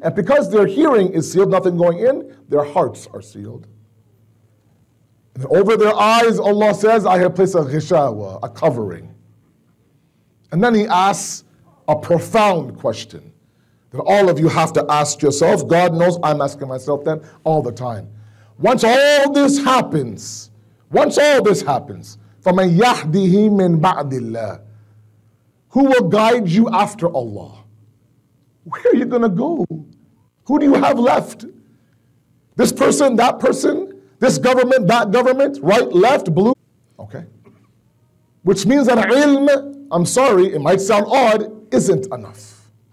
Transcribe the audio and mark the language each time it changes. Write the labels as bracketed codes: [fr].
[en] And because their hearing is sealed, nothing going in, their hearts are sealed. And over their eyes, Allah says, I have placed a ghishawa, a covering. And then he asks a profound question that all of you have to ask yourself. God knows I'm asking myself that all the time. Once all this happens, [ar] فَمَنْ يَحْدِهِ مِنْ بَعْدِ اللَّهِ. [en] Who will guide you after Allah? Where are you going to go? Who do you have left? This person, that person? This government, that government? Right, left, blue? Okay. Which means that ilm, I'm sorry, it might sound odd, isn't enough.